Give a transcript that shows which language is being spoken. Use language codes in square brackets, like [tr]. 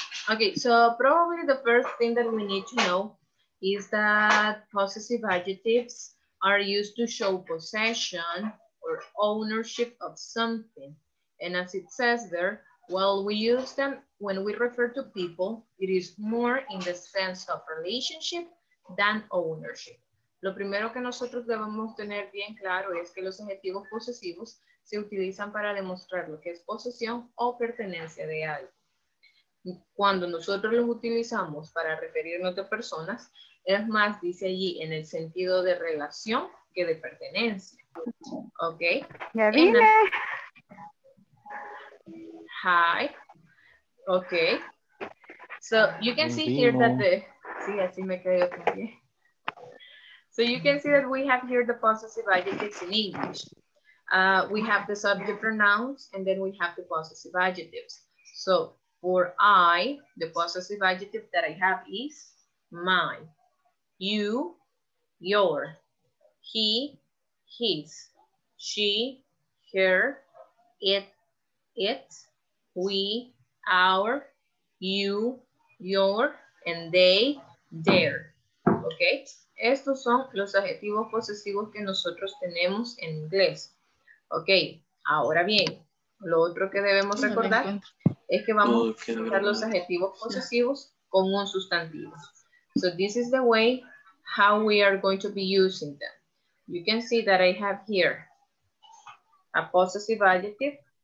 [en] Okay, so probably the first thing that we need to know is that possessive adjectives are used to show possession or ownership of something. And as it says there, well, we use them when we refer to people, it is more in the sense of relationship than ownership. [es] Lo primero que nosotros debemos tener bien claro es que los adjetivos posesivos se utilizan para demostrar lo que es posesión o pertenencia de algo. Cuando nosotros los utilizamos para referirnos a personas, es más, dice allí, en el sentido de relación que de pertenencia. ¿Ok? Ya vine. [en] Hi. Ok. So, you can see here that the... [es] Sí, así me quedo también. [en] So you can see that we have here the possessive adjectives in English. We have the subject pronouns and then we have the possessive adjectives. So for I, the possessive adjective that I have is my, you, your, he, his, she, her, it, its, we, our, you, your, and they, their. [es] Okay, estos son los adjetivos posesivos que nosotros tenemos en inglés. Okay, ahora bien, lo otro que debemos recordar es que vamos a usar los adjetivos posesivos con un sustantivo. [en] So this is the way how we are going to be using them. You can see that I have here a possessive adjective.